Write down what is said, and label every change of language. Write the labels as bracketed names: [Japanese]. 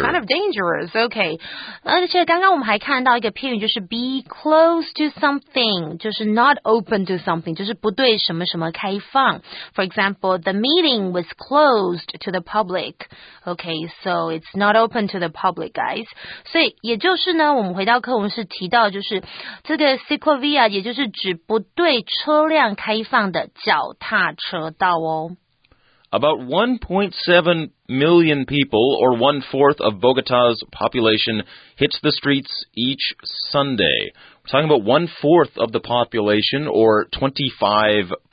[English] Kind of dangerous, [Chinese] okay. 而且刚刚我们还看到一个片语就是 be close to something, 就是 [English] not open to something, [Chinese] 就是不对什么什么开放。 [English] For example, the meeting was closed to the public. Okay, so it's not open to the public, guys. [Chinese] 所以也就是呢我们回到课文是提到就是这个 ciclovía 也就是指不对车辆开放的脚踏车。 [English] About 1.7 million people, or one-fourth of Bogota's population, hits the streets each Sunday. We're talking about one-fourth of the population, or 25%.